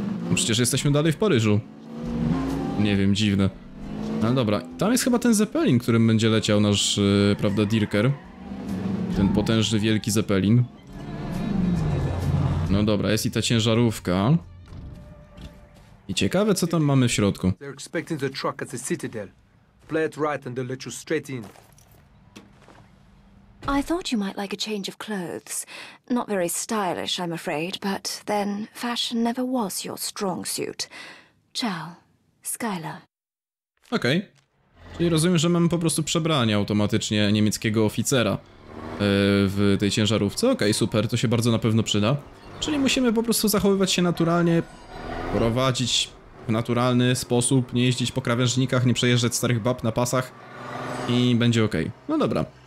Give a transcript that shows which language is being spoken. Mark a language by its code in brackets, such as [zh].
[pl] No przecież jesteśmy dalej w Paryżu. Nie wiem, dziwne. Ale dobra, tam jest chyba ten Zeppelin, którym będzie leciał nasz, prawda, Dirker. Ten potężny, wielki Zeppelin. No dobra, jest i ta ciężarówka. I ciekawe, co tam mamy w środku. [en] They're expecting the truck at the Citadel. Play it right and they'll let you straight in. I thought you might like a change of clothes. Not very stylish, I'm afraid, but then fashion never was your strong suit. Ciao, Skyler. [pl] Okej. Okay. Czyli rozumiem, że mamy po prostu przebranie automatycznie niemieckiego oficera w tej ciężarówce. Okej, okay, super, to się bardzo na pewno przyda. Czyli musimy po prostu zachowywać się naturalnie. Prowadzić w naturalny sposób, nie jeździć po krawężnikach, nie przejeżdżać starych bab na pasach i będzie okej. Okay. No dobra.